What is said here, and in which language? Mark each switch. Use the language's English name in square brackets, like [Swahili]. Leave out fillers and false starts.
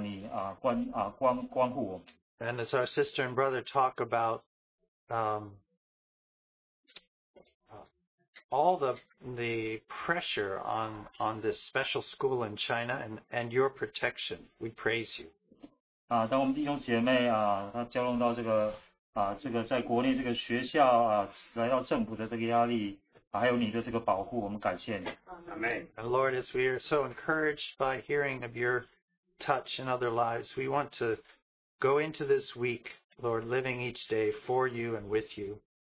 [Chinese] 主，我们心里多么感谢你，你关顾我们。 [English] And as our sister and brother talk about all the pressure on this special school in China and your protection, we praise you. [Chinese] 当我们弟兄姐妹交融到这个在国内这个学校来到政府的这个压力，还有你的这个保护，我们感谢你。Amen. [English] Lord, as we are so encouraged by hearing of your touch in other lives, we want to go into this week, Lord, living each day for you and with you.